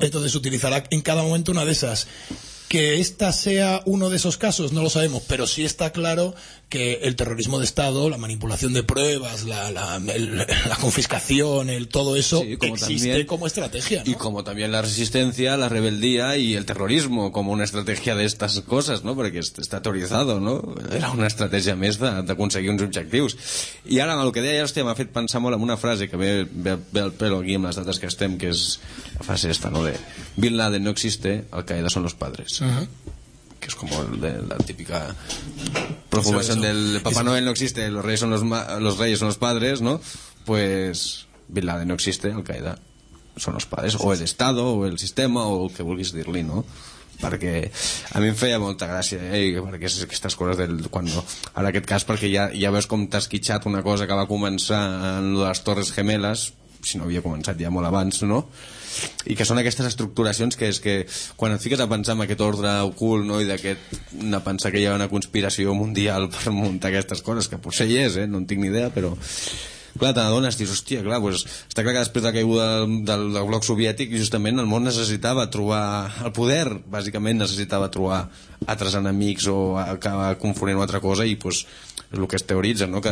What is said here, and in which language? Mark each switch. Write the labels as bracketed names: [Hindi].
[Spanish] Entonces utilizará en cada momento una de esas. Que esta sea uno de esos casos, no lo sabemos, pero sí está claro que el terrorismo de Estado, la manipulación de pruebas, la confiscación, todo eso, sí, como existe también, como estrategia, ¿no? Y como también la resistencia, la rebeldía y el terrorismo como una estrategia de estas cosas, ¿no? Porque está teorizado, ¿no? [Catalan] Era una estrategia més d'aconseguir uns objectius. I ara, amb el que deia, hòstia, m'ha fet pensar molt en una frase que ve el pelo aquí amb les dates que estem, que és la frase esta, ¿no? [Spanish] De Bin Laden no existe, Al-Qaeda son los padres. Que es como la típica profumación del Papá Noel no existe, los reyes son los padres, ¿no? Pues Bin Laden no existe, Al-Qaeda son los padres, o el Estado, o el sistema, [Catalan] o el que vulguis dir-li, [Spanish] ¿no? [Catalan] Perquè a mi em feia molta gràcia, perquè és aquestes coses del en aquest cas, perquè ja veus com t'has quitxat una cosa que va començar en lo de les Torres Gemeles, si no havia començat ja molt abans, no? I que són aquestes estructuracions que és que quan et fiques a pensar en aquest ordre ocult, no? I d'aquest a pensar que hi ha una conspiració mundial per muntar aquestes coses, que potser hi és, no en tinc ni idea, però clar, t'adones, dius, hòstia, clar, pues, està clar que després de la caiguda del bloc soviètic, justament el món necessitava trobar el poder, bàsicament necessitava trobar altres enemics o acabar confonent una altra cosa, i pues, el que es teoritza, no?